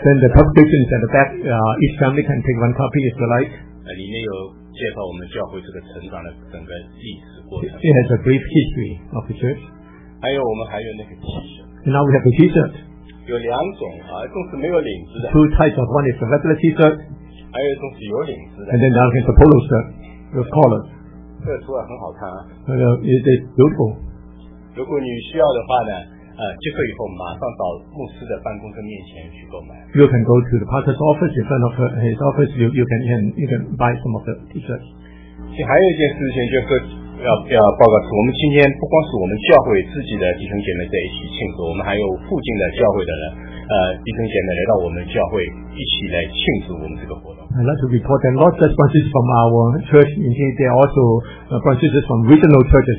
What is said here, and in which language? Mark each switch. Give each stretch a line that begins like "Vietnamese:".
English: Then the publication is at the back. Each family can take one copy if you like.
Chinese: 里面有介绍我们教会这个成长的整个历史过程。
English: It has a brief history of the church.
Chinese: 还有我们还有那个 T-shirt.
English: Now we have the T-shirt.
Chinese: 有两种啊，一种是没有领子的。
English: Two types of one is the regular T-shirt.
Chinese: 还有一种是有领子的。
English: And then the other is the polo shirt with collars.
Chinese: 这个书很好看啊，
English: It is beautiful.
Chinese: 如果你需要的话呢，结束以后马上到牧师的办公室面前去购买。
English: You can go to the pastor's office in front of his office. You can buy some of the T-shirts.
Chinese: 其实还有一件事情就是要报告，我们今天不光是我们教会自己的弟兄姐妹在一起庆祝，我们还有附近的教会的人。弟兄姐妹来到我们教会一起来庆祝我们这个活动。
English: I'd like to report that not just branches from our church, indeed they are also branches from regional churches.